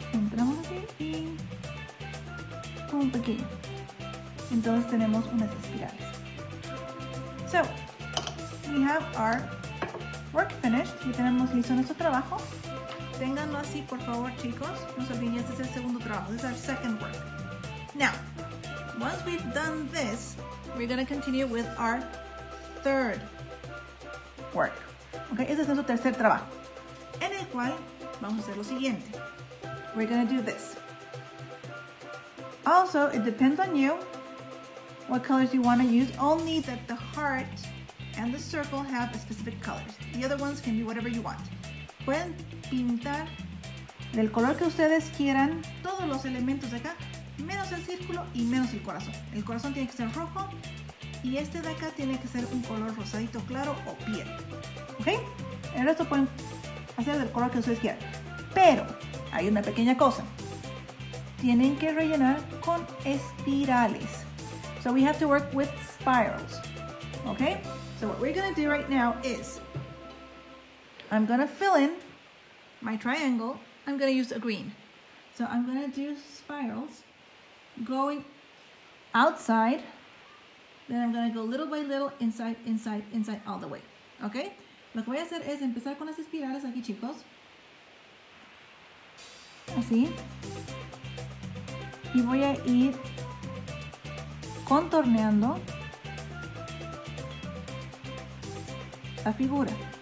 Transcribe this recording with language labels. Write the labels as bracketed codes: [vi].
[es] Entramos así y un pequeño. Entonces tenemos unas espirales. [en] So, we have our work finished. [es] Ya tenemos listo nuestro trabajo. Ténganlo así, por favor, chicos. No se olviden, este es el segundo trabajo. [en] This is our second work. Now, once we've done this, we're going to continue with our third work. [es] Okay, este es nuestro tercer trabajo. En el cual, vamos a hacer lo siguiente. [en] We're going to do this. Also, it depends on you. What colors you want to use, only that the heart and the circle have a specific colors. The other ones can be whatever you want. [es] Pueden pintar del color que ustedes quieran todos los elementos de acá, menos el círculo y menos el corazón. El corazón tiene que ser rojo y este de acá tiene que ser un color rosadito claro o piel. ¿Ok? El resto pueden hacer del color que ustedes quieran. Pero hay una pequeña cosa. Tienen que rellenar con espirales. [en] So we have to work with spirals, okay? So what we're gonna do right now is, I'm gonna fill in my triangle. I'm gonna use a green. So I'm gonna do spirals going outside. Then I'm gonna go little by little inside, inside, inside all the way, okay? [es] Lo que voy a hacer es empezar con las espirales aquí, chicos. Así. y voy a ir contorneando la figura.